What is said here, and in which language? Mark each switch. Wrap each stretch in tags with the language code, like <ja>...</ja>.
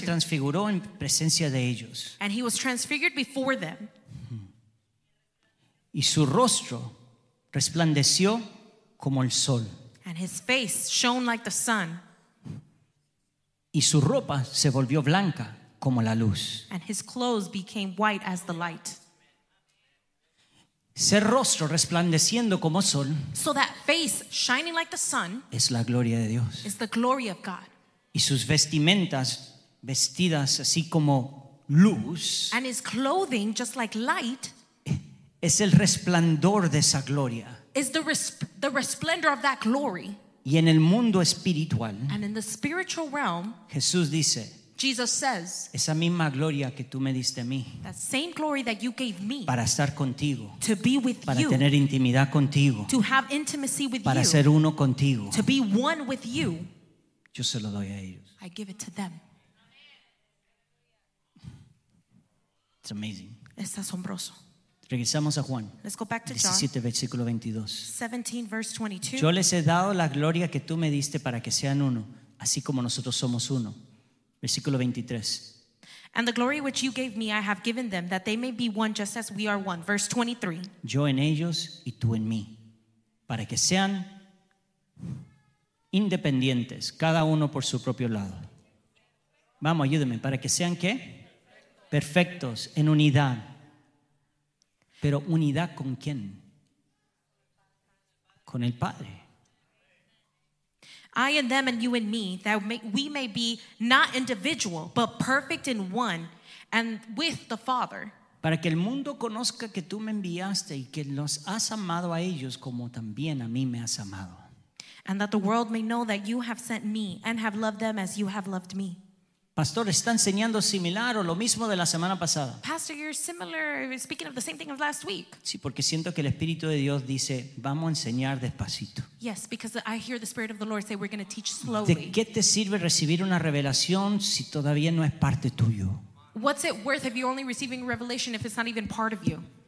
<es>se transfiguró en presencia de ellos.</es> <en>And he was transfigured before them.</en> <es>Y su rostro resplandeció como el sol.</es> <en>And his face shone like the sun.</en> <es>Y su ropa se volvió blanca como la luz.</es> <en>And his clothes became white as the light.</en> <es>Ser rostro resplandeciendo como sol.</es> <en>So that face shining like the sun.</en> <es>Es la gloria de Dios.</es> <en>Is the glory of God.</en> <es>Y sus vestimentas vestidas así como luz.</es> <en>And his clothing just like light.</en> <es>Es el resplandor de esa gloria.</es> <en>Is the resplendor of that glory.</en> <es>Y en el mundo espiritual.</es> <en>And in the spiritual realm.</en> <es>Jesús dice.</es> <en>Jesus says.</en> <es>Esa misma gloria que tú me diste a mí.</es> <en>That same glory that you gave me.</en> <es>Para estar contigo.</es> <en>To be with</en> <es>para</es> <en>you.</en> <es>Para tener intimidad contigo.</es> <en>To have intimacy with</en> <es>para Para ser uno contigo.</es> <en>To be one with you.</en> <es>Yo se lo doy a ellos.</es> <en>I give it to them. It's amazing.</en> <es>Es asombroso. Regresamos a Juan.</es> <en>Let's go back to 17, John.</en> <es>Versículo 22.</es> <en>17, verse 22.</en> <es>Yo les he dado la gloria que tú me diste para que sean uno, así como nosotros somos uno. Versículo 23.</es> <en>And the glory which you gave me I have given them, that they may be one just as we are one. Verse 23.</en> <es>Yo en ellos y tú en mí, para que sean independientes, cada uno por su propio lado. Vamos, ayúdame, para que sean ¿qué? Perfectos, en unidad. Pero unidad con quién? Con el Padre.</es> <en>I and them and you and me, that we may be not individual, but perfect in one and with the Father.</en> <es>Para que el mundo conozca que tú me enviaste y que los has amado a ellos como también a mí me has amado.</es> <en>And that the world may know that you have sent me and have loved them as you have loved me.</en> <es>Pastor, está enseñando similar o lo mismo de la semana pasada.</es> <en>Pastor, you're similar, speaking of the same thing of last week.</en> <es>Sí, porque siento que el Espíritu de Dios dice, vamos a enseñar despacito.</es> <en>Yes, because I hear the Spirit of the Lord say we're going to teach slowly.</en> <es>¿De qué te sirve recibir una revelación si todavía no es parte tuyo?</es> <en>What's it worth if you're only receiving revelation if it's not even part of you?</en>